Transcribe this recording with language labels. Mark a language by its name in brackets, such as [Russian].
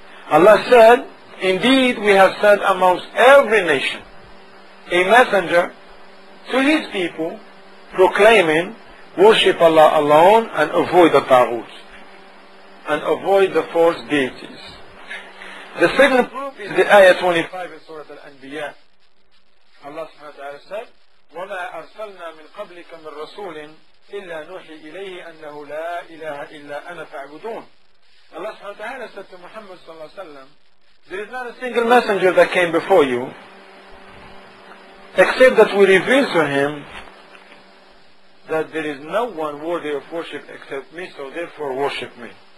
[English] Allah said, indeed we have sent amongst every nation a messenger to His people proclaiming, worship Allah alone and avoid the ta'ghut, and avoid the false deities. The second proof is the ayah 25 in Surah Al-Anbiya. [Arabic] Allah subhanahu wa ta'ala said, وَمَا أَرْسَلْنَا مِنْ قَبْلِكَ مِنْ رَسُولٍ إِلَّا نُوحِي إِلَيْهِ أَنَّهُ لَا إِلَهَ إِلَّا أَنَا فَعْبُدُونَ. [English] Allah subhanahu wa ta'ala said to Muhammad صلى الله عليه وسلم, there is not a single messenger that came before you except that we reveal to him that there is no one worthy of worship except me, so therefore worship me.